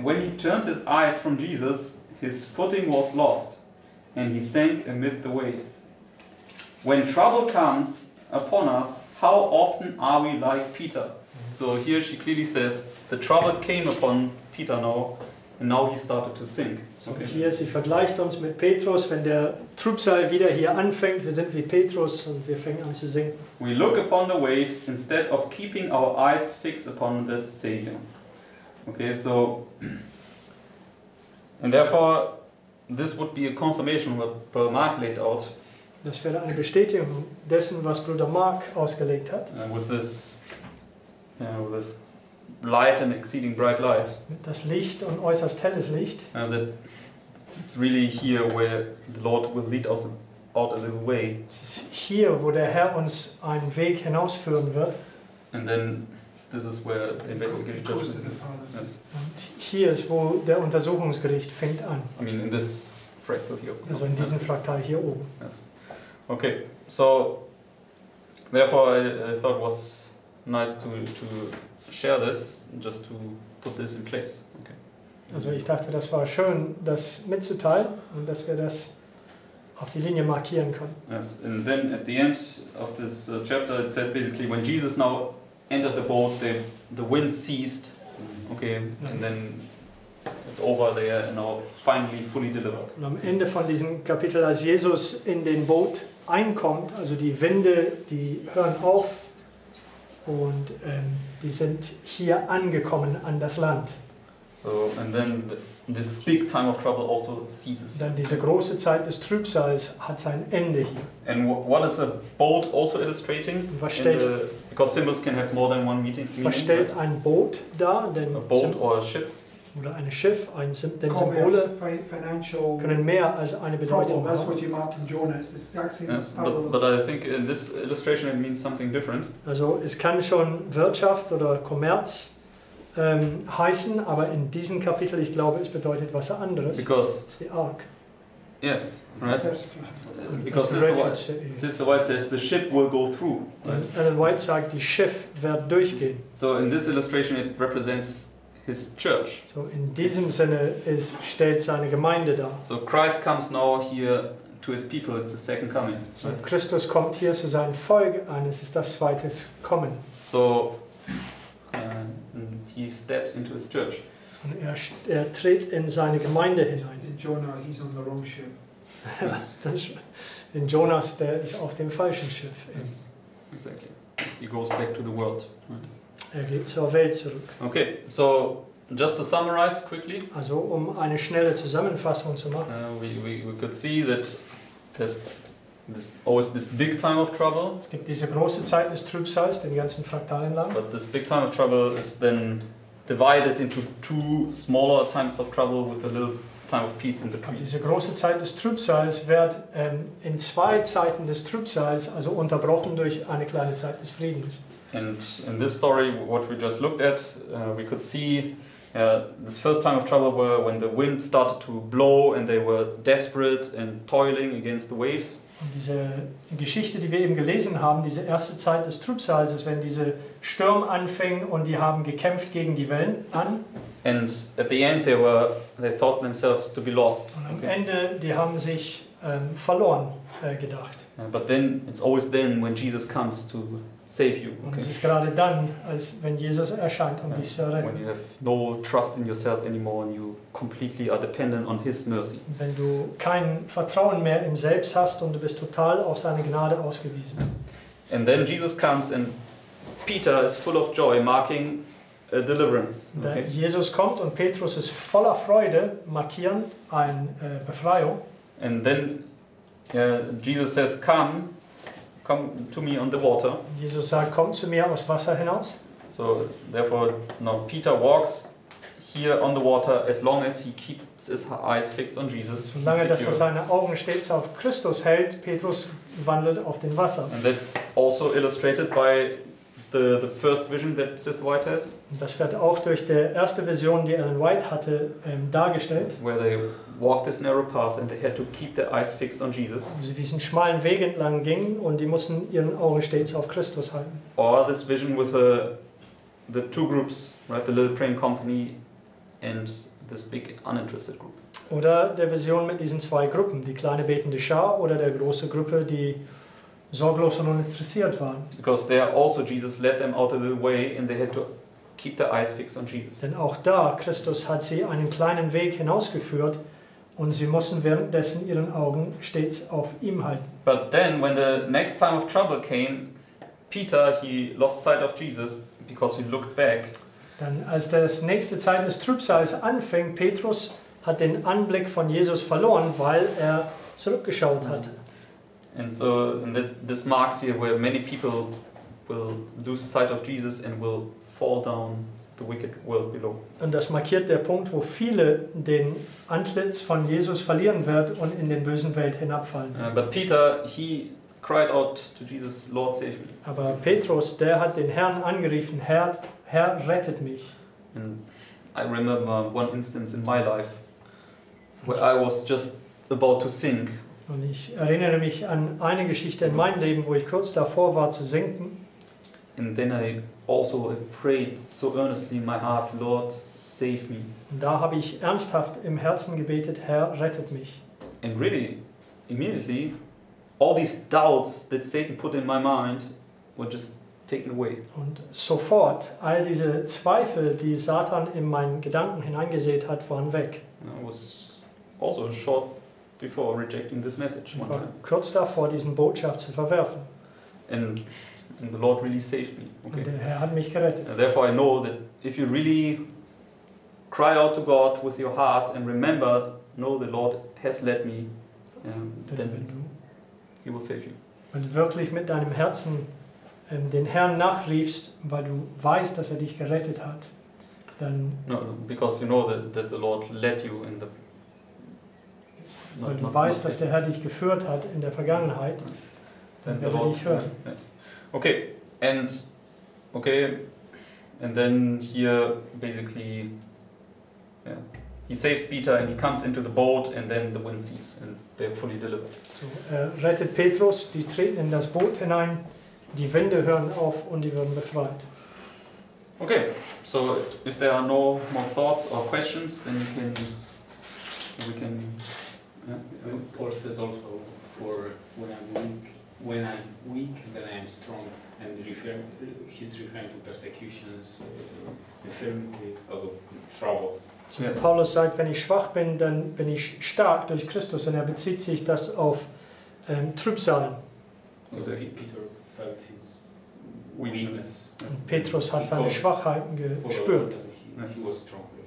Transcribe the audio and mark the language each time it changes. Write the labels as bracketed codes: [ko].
[en] When he turned his eyes from Jesus, his footing was lost, and he sank amid the waves. When trouble comes upon us, how often are we like Peter? So here she clearly says, the trouble came upon Peter now, and now he started to sink. Okay. [de] So hier, sie vergleicht uns mit Petrus, wenn der Trübsal wieder hier anfängt, wir sind wie Petrus und wir fangen an zu sinken. [en] We look upon the waves instead of keeping our eyes fixed upon the Savior. Okay, so, and therefore, this would be a confirmation what Brother Mark laid out. [de] Das wäre eine Bestätigung dessen, was Bruder Mark ausgelegt hat. [en] With this with this light and exceeding bright light. [de] Das Licht und äußerst helles Licht. [en] That it's really here where the Lord will lead us out a little way. [de] Es ist hier, wo der Herr uns einen Weg hinausführen wird. [en] And then this is where the investigative judgment is. Yes. [de] Und hier ist, wo der Untersuchungsgericht fängt an. [en] I mean, in this fractal here. [de] Also in diesem Fraktal hier oben. [en] Yes. Okay. So, therefore, I thought it was nice to share this, just to put this in place. Okay. [de] Also ich dachte, das war schön, das mitzuteilen und dass wir das auf die Linie markieren können. [en] Yes. And then at the end of this chapter, it says basically, when Jesus now entered the boat, the wind ceased. Okay, and then it's over there, and now finally fully delivered. [de] Und am Ende von diesem Kapitel, als Jesus in den Boot einkommt, also die Winde, die hören auf und die sind hier angekommen an das Land. [en] So, and then this big time of trouble also ceases. [de] Dann diese große Zeit des Trübsals hat sein Ende hier. [en] And what is the boat also illustrating? [de] Was steht? [en] Because symbols can have more than one meaning. [de] Was stellt ein Boot dar? Denn [en] a boat or a ship? [de] Oder ein Schiff, ein denn Symbole können mehr als eine Bedeutung [en] problem. [de] Haben. [en] That's what you meant in Jonas. This is exactly yes, but I think in this illustration it means something different. [de] Also es kann schon Wirtschaft oder Kommerz heißen, aber in diesem Kapitel, ich glaube, es bedeutet was anderes. [en] Because it's the ark. Yes, right. Because this is the White says the ship will go through. Right? [de] Ellen White sagt, die Schiff wird durchgehen. [en] So in this illustration it represents his church. [de] So in diesem Sinne stellt seine Gemeinde dar. [en] So Christ comes now here to his people. It's the second coming. So right? [de] Christus kommt hier zu seinem Volk an. Es ist das zweite Kommen. [en] So. He steps into his church. [de] Und er tritt in seine Gemeinde hinein. [en] In Jonah, he's on the wrong ship. Yes. [de] In Jonas, der ist auf dem falschen Schiff. [en] Yes, exactly. He goes back to the world. [de] Er geht zur Welt zurück. [en] Okay, so just to summarize quickly. [de] Also um eine schnelle Zusammenfassung zu machen. [en] We could see that there's always this big time of trouble. [de] Es gibt diese große Zeit des Trübsals, den ganzen Fraktalen lang. [en] But this big time of trouble is then divided into two smaller times of trouble with a little time of peace in between. [de] Und diese große Zeit des Trübsals wird in zwei Zeiten des Trübsals, also unterbrochen durch eine kleine Zeit des Friedens. [en] And in this story, what we just looked at, we could see this first time of trouble were when the wind started to blow and they were desperate and toiling against the waves. [de] Und diese Geschichte, die wir eben gelesen haben, diese erste Zeit des Trübsals, ist, wenn diese Sturm anfing und die haben gekämpft gegen die Wellen an. [en] And at the end they thought themselves to be lost. [de] Und am Ende, die haben sich verloren gedacht. [en] Yeah, but then, it's always then, when Jesus comes to save you. [de] Okay. Und es ist gerade dann, als wenn Jesus erscheint, um dich zu retten. [en] When you have no trust in yourself anymore and you completely are dependent on his mercy. [de] Wenn du kein Vertrauen mehr im Selbst hast und du bist total auf seine Gnade ausgewiesen. [en] And then Jesus comes and Peter is full of joy, marking a deliverance. Okay. [de] Jesus kommt und Petrus ist voller Freude, markierend ein Befreiung. [en] And then Jesus says, come. Come to me on the water. [de] Jesus sagt, komm zu mir aus Wasser hinaus. [en] So, therefore, now Peter walks here on the water as long as he keeps his eyes fixed on Jesus. [de] Solange dass er seine Augen stets auf Christus hält, Petrus wandelt auf dem Wasser. [en] And that's also illustrated by the first vision that Sister White has. [de] Das wird auch durch die erste Vision, die Ellen White hatte, dargestellt. [en] Where they walked this narrow path and they had to keep their eyes fixed on Jesus. [de] Wo sie diesen schmalen Weg entlang gingen und die mussten ihren Augen stets auf Christus halten. [en] Or this vision with the two groups, right, the little praying company and this big uninterested group. [de] Oder der Vision mit diesen zwei Gruppen, die kleine betende Schar oder der große Gruppe, die sorglos und uninteressiert waren. [en] Because there also Jesus led them out a little way and they had to keep their eyes fixed on Jesus. [de] Denn auch da, Christus hat sie einen kleinen Weg hinausgeführt und sie mussten währenddessen ihren Augen stets auf ihm halten. [en] But then, when the next time of trouble came, Peter, he lost sight of Jesus because he looked back. [de] Dann, als das nächste Zeit des Trübsals anfing, Petrus hat den Anblick von Jesus verloren, weil er zurückgeschaut hatte. [en] And so, and this marks here where many people will lose sight of Jesus and will fall down the wicked world below. [de] Und das markiert der Punkt, wo viele den Antlitz von Jesus verlieren wird und in den bösen Welt hinabfallen. [en] But Peter, he cried out to Jesus, Lord, save me. [de] Aber Petrus, der hat den Herrn angerufen, Herr, Herr, rettet mich. [en] And I remember one instance in my life where I was just about to sink. [de] Und ich erinnere mich an eine Geschichte in meinem Leben, wo ich kurz davor war zu sinken. [en] And then I also prayed so earnestly in my heart, Lord, save me. [de] Und da habe ich ernsthaft im Herzen gebetet, Herr, rettet mich. [en] And really, immediately, all these doubts that Satan put in my mind were just taken away. [de] Und sofort, all diese Zweifel, die Satan in meinen Gedanken hineingesät hat, waren weg. [en] I was also short before rejecting this message. [de] Ich war kurz davor, diesen Botschaft zu verwerfen. [en] And the Lord really saved me. Okay. [de] Und der Herr hat mich gerettet. [en] And therefore, I know that if you really cry out to God with your heart and remember, no, the Lord has led me, then He will save you. [de] Wenn du wirklich mit deinem Herzen den Herrn nachriefst, weil du weißt, dass dich gerettet hat, dann. [en] No, because you know that the Lord led you in the. [de] Weil du weißt, dass der Herr dich geführt hat in der Vergangenheit, dann wird dich hören. [en] Yes. Okay, and then here basically, yeah, he saves Peter and he comes into the boat and then the wind ceases and they're fully delivered. [de] So rettet Petrus, die treten in das Boot hinein, die Winde hören auf und die werden befreit. [en] Okay, so if there are no more thoughts or questions, then you can, we can. Yeah. Paul says also, for when I'm weak, then I'm strong, and he's referring to persecutions, infirmities, troubles. So yes. [de] Paulus sagt, wenn ich schwach bin, dann bin ich stark durch Christus, und bezieht sich das auf Trübsalen. [en] Also Peter felt his weakness. [de] Petrus hat seine Schwachheiten gespürt. [en] He was strong.